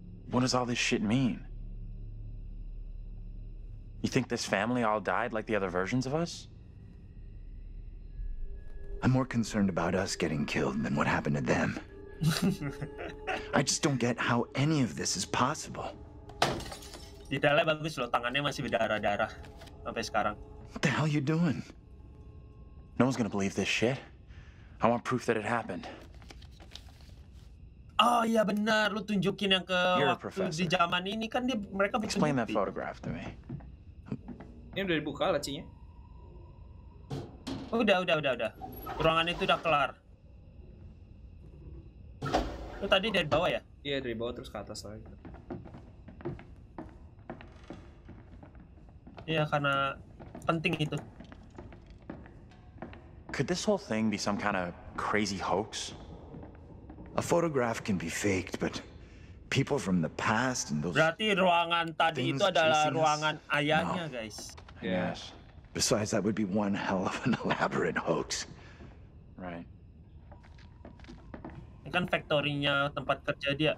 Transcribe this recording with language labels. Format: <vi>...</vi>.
<en>What does all this shit mean? You think this family all died like the other versions of us? I'm more concerned about us getting killed than what happened to them. I just don't get how any of this is possible.</en> <id>Detailnya bagus loh, tangannya masih berdarah-darah sampai sekarang.</id> <en>What the hell are you doing? No one's gonna believe this shit. I want proof that it happened.</en> <id>Oh iya benar, lu tunjukin yang ke waktu di zaman ini kan dia mereka.</id> <en>Explain that photograph to me.</en> <id>Ini udah dibuka lacinya. Udah. Ruangan itu udah kelar. Itu tadi dari bawah ya? Iya, dari bawah terus ke atas lagi. Iya, karena penting itu.</id> <en>Could this whole thing be some kind of crazy hoax? A photograph can be faked, but people from the past and those.</en> <id>Berarti ruangan tadi itu adalah ruangan ayahnya, no.</id> <en>Guys. Yes. Besides, that would be one hell of an elaborate hoax. Right.</en> <id>Ini kan factory-nya tempat kerja dia.</id>